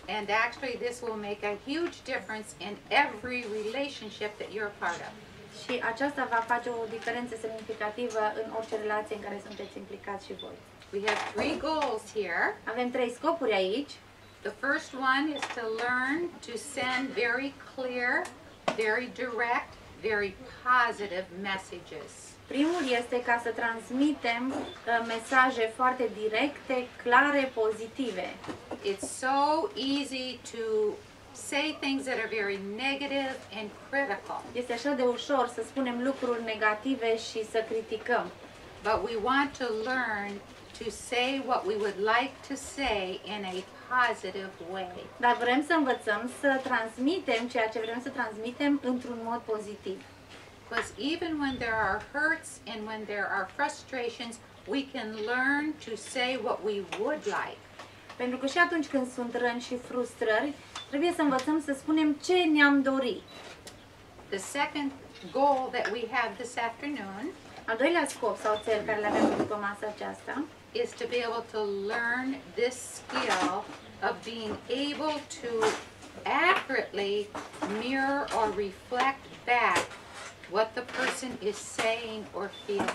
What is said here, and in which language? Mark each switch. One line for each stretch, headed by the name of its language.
English: And actually this will make a huge difference in every relationship that you're a part of.
Romanian: Și aceasta va face o diferență semnificativă în orice relație în care sunteți implicați și voi.
English: We have three goals here.
Romanian: Avem trei scopuri aici.
English: The first one is to learn to send very clear, very direct, very positive messages.
Romanian: Primul este ca să transmitem mesaje foarte directe, clare, pozitive.
English: It's so easy to say things that are very negative and critical.
Romanian: Este așa de ușor să spunem lucruri negative și să criticăm.
English: But we want to learn to say what we would like to say in a positive way.
Romanian: Dar vrem să învățăm să transmitem ceea ce vrem să transmitem într-un mod pozitiv.
English: Because even when there are hurts and when there are frustrations, we can learn to say what we would like.
Romanian: Pentru că și atunci când sunt răni și frustrări, trebuie să învățăm să spunem ce ne-am dori.
English: The second goal that we have this afternoon,
Romanian: al doilea scop sau țel care le avem după masa aceasta,
English: is to be able to learn this skill of being able to accurately mirror or reflect back what the person is saying or feeling.